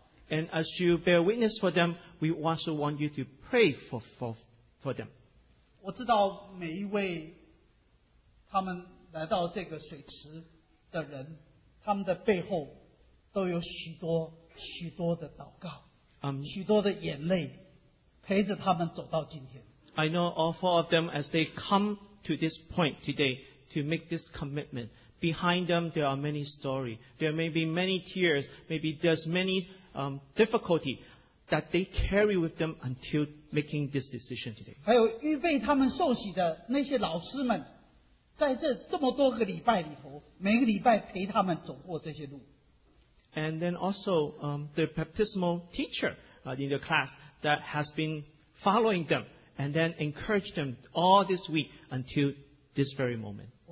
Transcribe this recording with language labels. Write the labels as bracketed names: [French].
[English] And as you bear witness for them, we also want you to pray for them. [Chinese] 我知道每一位他们来到这个水池的人, 他们的背后都有许多 [English] I know all four of them, as they come to this point today to make this commitment, behind them there are many stories. There may be many tears, maybe there's many difficulty that they carry with them until making this decision today. [Chinese] 还有预备他们受洗的那些老师们, 在这么多个礼拜里头, 每个礼拜陪他们走过这些路。 [English] And then also the baptismal teacher in the class that has been following them and then encouraged them all this week until this very moment.